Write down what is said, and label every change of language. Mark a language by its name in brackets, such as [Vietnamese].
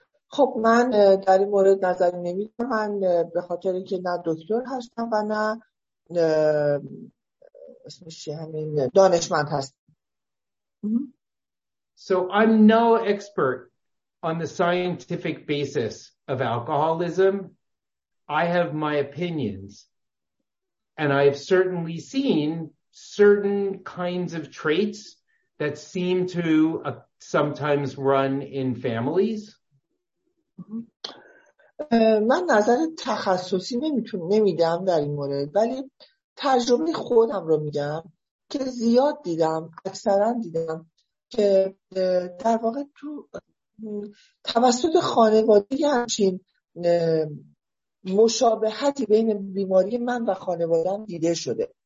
[Persian] خب من در این مورد نظر نمیدم، من به خاطر اینکه نه دکتر هستم و نه اسمش همین دانشمند هستم. [English] So I'm no expert on the scientific basis of alcoholism. I have my opinions and I have certainly seen certain kinds of traits that seem to sometimes run in families. [Persian] من نظر تخصصی نمیدم در این مورد، ولی تجربه خودم رو میگم که زیاد دیدم، اکثرا دیدم که در واقع تو توسط خانواده همچین مشابهتی بین بیماری من و خانواده‌ام دیده شده.